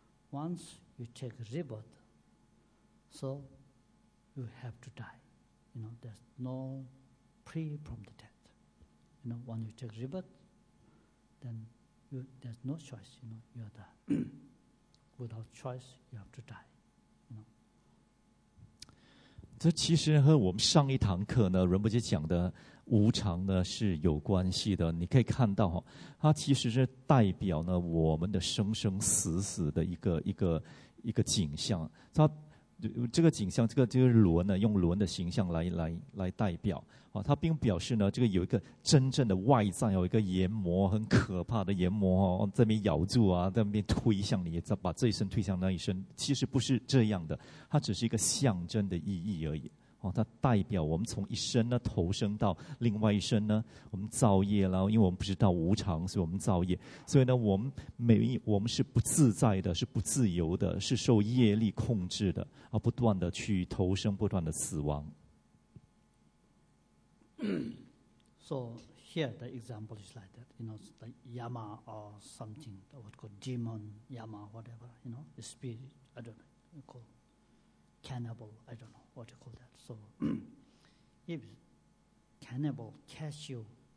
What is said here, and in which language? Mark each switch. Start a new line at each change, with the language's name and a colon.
English: Once you take rebirth, so you have to die. You know, there's no. Free from the death. You know, when you take rebirth, then there's no choice. You know, you're the without choice, you have to die. You know,
Chinese: 这其实和我们上一堂课呢，仁波切讲的无常呢是有关系的。你可以看到哈，它其实是代表呢我们的生生死死的一个景象。这个景象，这个轮呢，用轮的形象来代表啊，它并表示呢，这个有一个真正的外在，有一个阎魔，很可怕的阎魔哦，在那边咬住啊，在那边推向你，再把这一身推向那一身，其实不是这样的，它只是一个象征的意义而已哦，它代表我们从一生呢投生到另外一生呢，我们造业啦，因为我们不知道无常，所以我们造业，所以呢，我们是不自在的，是不自由的，是受业力控制的。不断的去投生，不断的死亡。
English: So here the example is like that, you know, the yama or something, what called demon, yama, whatever, you know, the spirit, I don't know, you call cannibal, I don't know what you call that. So if cannibal catch you,